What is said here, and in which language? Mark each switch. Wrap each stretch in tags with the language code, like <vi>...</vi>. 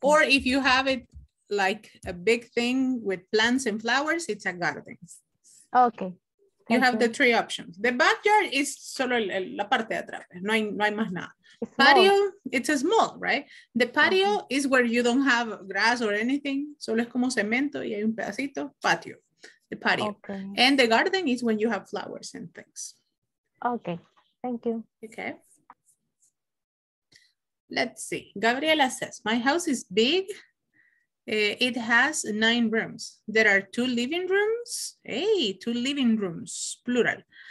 <en>Or if you have it like a big thing with plants and flowers, it's a garden. Okay. You have the 3 options. The backyard is</en> <es>solo la parte de atrás. No hay más nada.</es> <en>It's patio, small. It's a small, right? The patio okay. is where you don't have grass or anything.</en> <es>Solo es como cemento y hay un pedacito.</es> <en>Patio, the patio. Okay. And the garden is when you have flowers and things. Okay. Thank you. Okay. Let's see. Gabriela says, my house is big. It has 9 rooms. There are 2 living rooms. Hey, 2 living rooms, plural.</en>